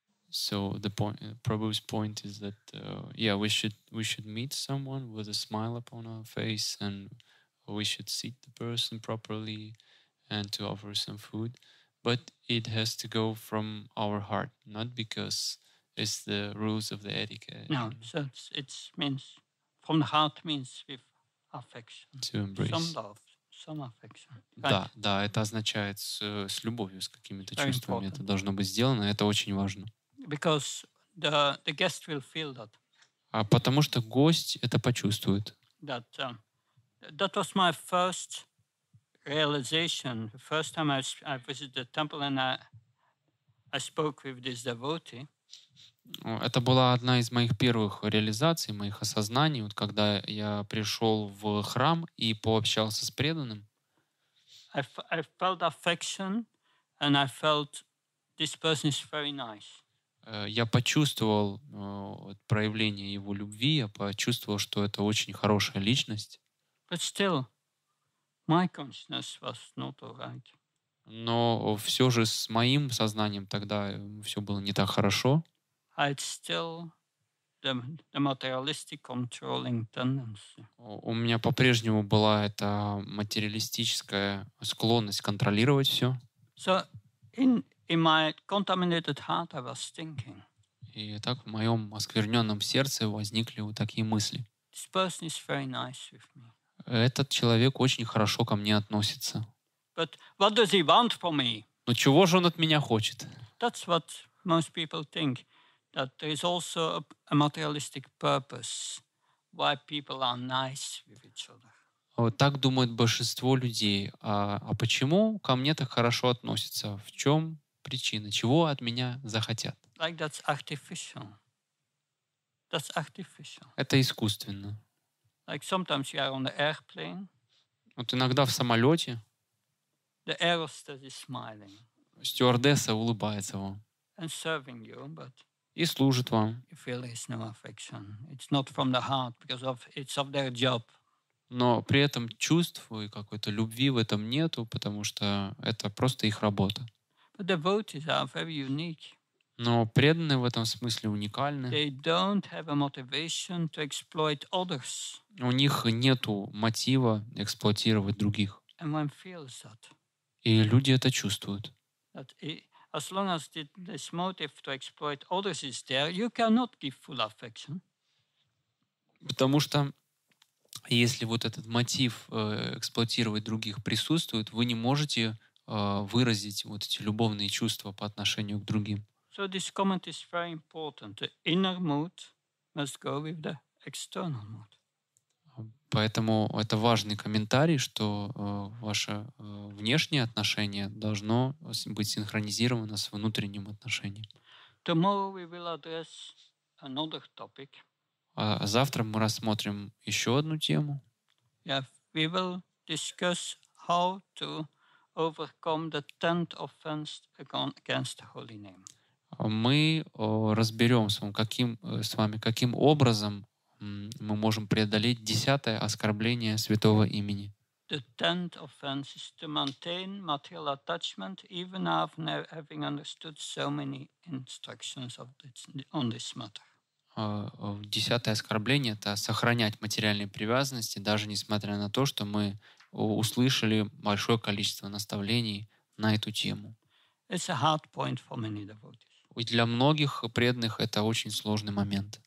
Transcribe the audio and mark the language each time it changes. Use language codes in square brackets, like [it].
[en] So the Prabhu's point is that we should meet someone with a smile upon our face, and we should seat the person properly and to offer some food, but it has to go from our heart, not because it's the rules of the etiquette. No, so it's means from the heart, means with affection, to embrace some love. Some affection. [ru] Да, да, это означает с любовью, с какими-то чувствами. Это должно быть сделано, это очень важно. [en] Because the guest will feel that. [ru] А потому что гость это почувствует. [en] That, that was my first realization. The first time I visited the temple and I spoke with this devotee. [ru] Это была одна из моих первых реализаций, моих осознаний, вот когда я пришел в храм и пообщался с преданным. [en] I felt affection, and I felt this person is very nice. [ru] Я почувствовал проявление его любви, я почувствовал, что это очень хорошая личность. [en] But still, my consciousness was not all right. [ru] Но все же с моим сознанием тогда все было не так хорошо. [en] It's still the materialistic controlling tendency. [ru] У меня по-прежнему была эта материалистическая склонность контролировать все. [en] So in my contaminated heart I was thinking. [ru] И так в моем оскверненном сердце возникли вот такие мысли. [en] This person is very nice with me. [ru] Этот человек очень хорошо ко мне относится. [en] But what does he want from me? [ru] Но чего же он от меня хочет? [en] That's what most people think. That there is also a materialistic purpose why people are nice with each other. [ru] Вот так думают большинство людей. А почему ко мне так хорошо относятся? В чем причина? Чего от меня захотят? [en] Like that's artificial. That's artificial. [ru] Это искусственно. [en] Like sometimes you are on the airplane. [ru] Вот иногда в самолете. [en] The air hostess is smiling. [ru] Стюардесса улыбается вам. [en] And serving you, but [ru] и служит вам. [en] You feel it's no affection. It's not from the heart, because of it's of their job. [ru] Но при этом чувств и какой-то любви в этом нету, потому что это просто их работа. [en] But devotees are very unique. [ru] Но преданные в этом смысле уникальны. [en] They don't have a motivation to exploit others. [ru] У них нету мотива эксплуатировать других. [en] And one feels that. [ru] И люди это чувствуют. [en] That as long as this motive to exploit others is there, you cannot give full affection. [ru] Потому что если вот этот мотив эксплуатировать других присутствует, вы не можете выразить вот эти любовные чувства по отношению к другим. [en] So this comment is very important. The inner mood must go with the external mood. [ru] Поэтому это важный комментарий, что ваше внешнее отношение должно быть синхронизировано с внутренним отношением. [en] Tomorrow we will address another topic. [ru] Завтра мы рассмотрим еще одну тему. [en] Yeah, we will discuss how to overcome the tenth offense against the holy name. [ru] Мы разберем с вами каким образом мы можем преодолеть десятое оскорбление святого имени. [en] The tenth offense is to maintain material attachment even after having understood so many instructions on this matter. [ru] Десятое оскорбление — это сохранять материальные привязанности, даже несмотря на то, что мы услышали большое количество наставлений на эту тему. [en] It's a hard point for many devotees. [ru] Ведь для многих преданных это очень сложный момент.